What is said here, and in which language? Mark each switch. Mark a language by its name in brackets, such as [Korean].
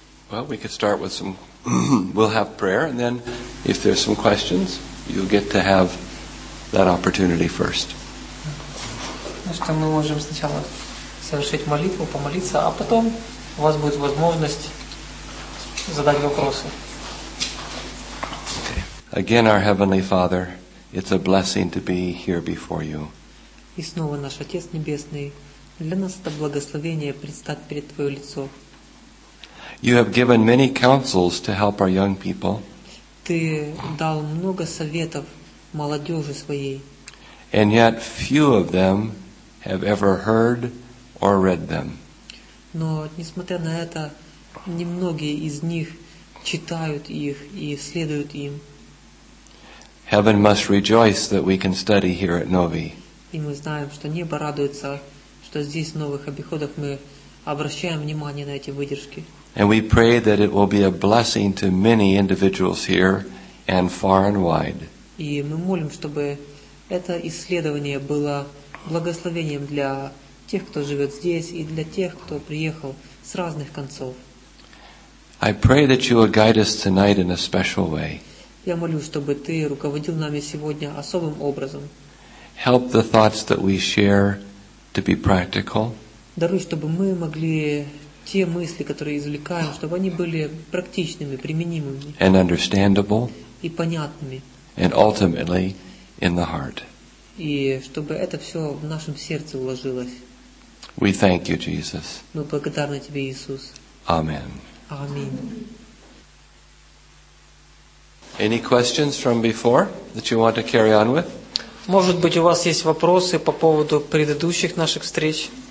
[English] Well, we could start with some, we'll have prayer, and then if there's some questions, you'll get to have that opportunity first. [Russian] Значит, мы можем сначала совершить молитву, помолиться, а потом у вас будет возможность задать вопросы. [English] Again, our Heavenly Father, it's a blessing to be here before you. [Russian] И снова наш Отец Небесный, для нас это благословение предстать перед Твое лицо. [English] You have given many counsels to help our young people. [Russian] Ты дал много советов молодежи своей. [English] And yet few of them have ever heard or read them. [Russian] Но несмотря на это, немногие из них читают их и следуют им. [English] Heaven must rejoice that we can study here at Novi. [Russian] И мы знаем, что небо радуется, что здесь в новых обиходах мы обращаем внимание на эти выдержки. [English] And we pray that it will be a blessing to many individuals here and far and wide. [Russian] И мы молим, чтобы это исследование было благословением для тех, кто живет здесь, и для тех, кто приехал с разных концов. [English] I pray that you will guide us tonight in a special way. [Russian] Я молюсь, чтобы ты руководил нами сегодня особым образом. [English] Help the thoughts that we share to be practical. [Russian] Даруй, чтобы мы могли те мысли, которые извлекаем, чтобы они были практичными, применимыми. [English] And understandable. [Russian] И понятными. [English] And ultimately in the heart. [Russian] И чтобы это все в нашем сердце уложилось. [English] We thank you, Jesus. [Russian] Мы благодарны тебе, Иисус. [English] Amen. [Russian] Аминь. [English] Any questions from before that you want to carry on with? [Russian] Может быть, у вас есть вопросы по поводу предыдущих наших встреч?